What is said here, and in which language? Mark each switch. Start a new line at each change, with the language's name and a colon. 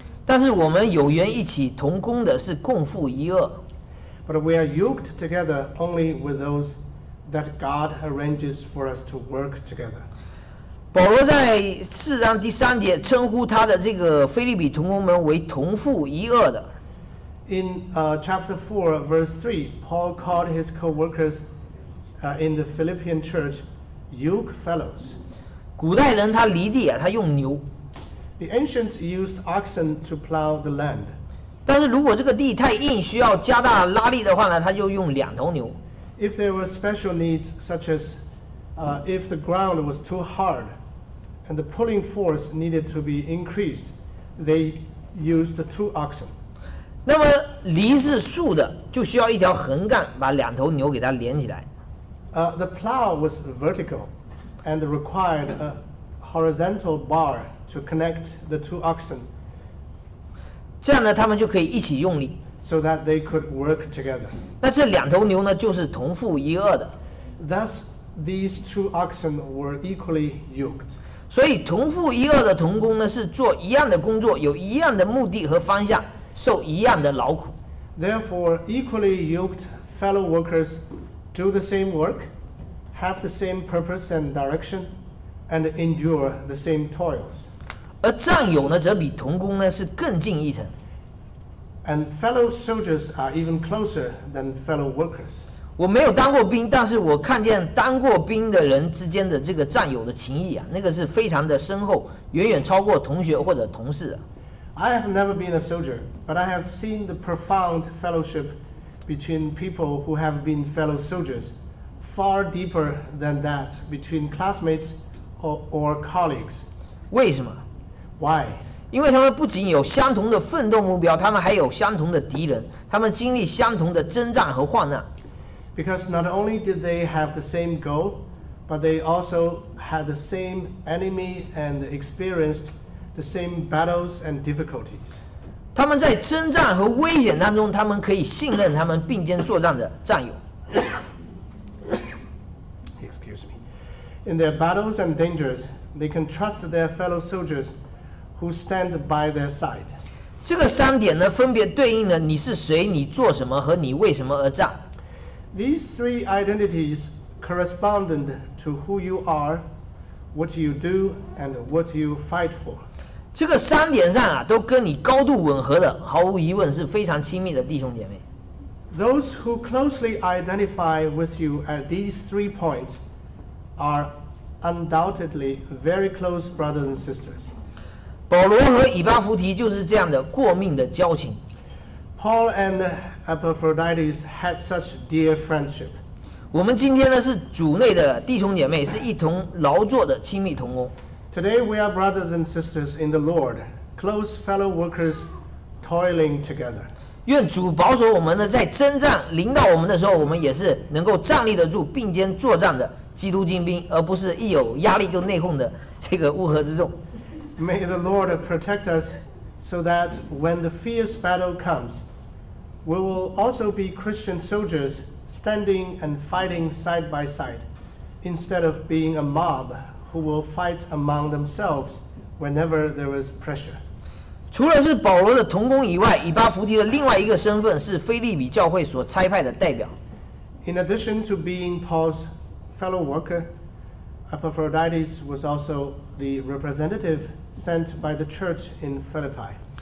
Chinese: 但是我们有缘一起同工的是共赴一轭。
English: But we are yoked together only with those that God arranges for us to work together.
Chinese: 保罗在四章第三节称呼他的这个腓立比同工们为同赴一轭的。
English: In chapter 4, verse 3, Paul called his co-workers in the Philippian church yoke fellows.
Chinese: 古代人他犁地啊，他用牛。
English: The ancients used oxen to plow the land.
Chinese: 但是如果这个地太硬，需要加大拉力的话呢，他就用两头牛。
English: If there were special needs, such as if the ground was too hard and the pulling force needed to be increased, they used two oxen.
Chinese: 那么犁是竖的，就需要一条横杆把两头牛给它连起来。
English: The plow was vertical and required a horizontal bar to connect the two oxen.
Chinese: 这样呢，他们就可以一起用力。
English: So that they could work together.
Chinese: 那这两头牛呢，就是同父一轭的。
English: Thus, these two oxen were equally yoked.
Chinese: 所以同父一轭的同工呢，是做一样的工作，有一样的目的和方向，受一样的劳苦。
English: Therefore, equally yoked fellow workers do the same work, have the same purpose and direction, and endure the same toils.
Chinese: 而战友呢，则比同工呢，是更近一层。
English: And fellow soldiers are even closer than fellow workers.
Chinese: 我没有当过兵，但是我看见当过兵的人之间的这个战友的情谊啊，那个是非常的深厚，远远超过同学或者同事啊。
English: I have never been a soldier, but I have seen the profound fellowship between people who have been fellow soldiers, far deeper than that between classmates or colleagues.
Chinese: 为什么？
English: Why?
Chinese: 因为他们不仅有相同的奋斗目标，他们还有相同的敌人，他们经历相同的征战和患难。
English: Because not only did they have the same goal, but they also had the same enemy and experienced the same battles and difficulties.
Chinese: 他们在征战和危险当中，他们可以信任他们并肩作战的战友。
English: Excuse me. In their battles and dangers, they can trust their fellow soldiers. Who stand by their side?
Chinese: 这个三点呢，分别对应了你是谁、你做什么和你为什么而战。
English: These three identities correspond to who you are, what you do, and what you fight for.
Chinese: 这个三点上啊，都跟你高度吻合的，毫无疑问是非常亲密的弟兄姐妹。
English: Those who closely identify with you at these three points are undoubtedly very close brothers and sisters.
Chinese: 保罗和以巴弗提就是这样的过命的交情。
English: Paul and Epaphroditus had such dear friendship.
Chinese: 我们今天呢是主内的弟兄姐妹，是一同劳作的亲密同工。
English: Today we are brothers and sisters in the Lord, close fellow workers toiling together.
Chinese: 愿主保守我们呢，在征战临到我们的时候，我们也是能够站立得住并肩作战的基督精兵，而不是一有压力就内讧的这个乌合之众。
English: May the Lord protect us so that when the fierce battle comes, we will also be Christian soldiers standing and fighting side by side, instead of being a mob who will fight among themselves whenever there is pressure.
Chinese: 除了是保罗的同工以外，以巴弗提的另外一个身份是腓立比教会所差派的代表。
English: In addition to being Paul's fellow worker, Epaphroditus was also the representativesent by the church in Philippi.